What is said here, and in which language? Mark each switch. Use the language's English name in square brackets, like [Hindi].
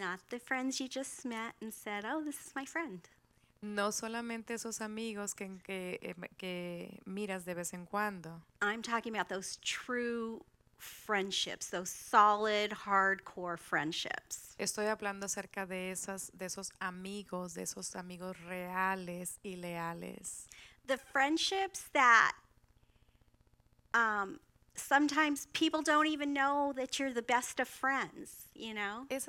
[English] Not the friends you just met and said, oh, this is my friend. [Spanish] No solamente esos amigos que miras de vez en cuando. [English] I'm talking about those true friendships, those solid, hardcore friendships. [Spanish] Estoy hablando acerca de esos amigos reales y leales. [English] The friendships that sometimes people don't even know that you're the best of friends, you know?